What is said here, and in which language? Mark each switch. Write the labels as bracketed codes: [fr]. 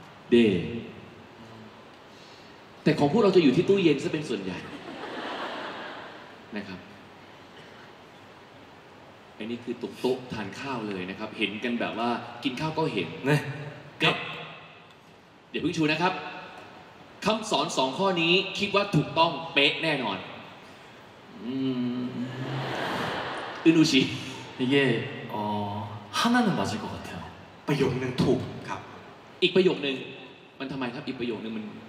[th] เด้แต่ของพวกเราจะอยู่ที่ตู้เย็นซะเป็นส่วนใหญ่นะครับอันนี้คือตกโต๊ะทานข้าวเลยนะครับเห็นกันแบบว่ากินข้าวก็เห็น นะ ครับเดี๋ยวพึ่งชูนะครับคำสอน2ข้อนี้คิดว่าถูกต้องเป๊ะแน่นอนอินุชิ [ko] 이게어하나는맞을것같아요 [th] ประโยคนึงถูกครับ อีกประโยคนึงมันทำไมครับอีกประโยคนึงมัน